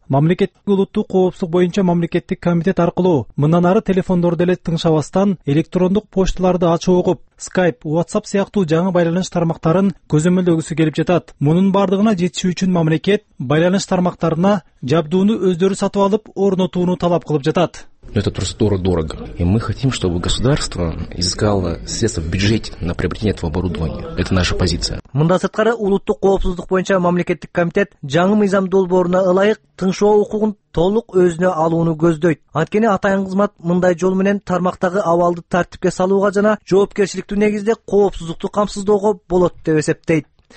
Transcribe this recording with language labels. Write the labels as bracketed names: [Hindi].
[Kyrgyz] Мамлекеттик улуттук коопсуздук боюнча мамлекеттик комитет аркылуу мындан ары телефондорду эле тыңшабастан электрондук почталарды ачып окуп, Skype, WhatsApp сыяктуу жаңы байланыш тармактарын көзөмөлдөгүсү келип жатат. Мунун бардыгына жетиши үчүн мамлекет байланыш тармактарына жабдууну өздөрү сатып алып орнотууну талап кылып жатат. [Russian] Но это просто дорого. И мы хотим, чтобы государство изыскало средства в бюджете на приобретение этого оборудования. Это наша позиция. [Kyrgyz] Мында сырткары улуттук коопсуздук боюнча мамлекеттик комитет жаңы мыйзам долбооруна ылайык тынчоо укугун толук өзүнө алууну көздөйт. Анткени атайын кызмат мындай жол менен тармактагы абалды тартипке салууга жана жоопкерчиликтүү негизде коопсуздукту камсыздоого болот деп эсептейт.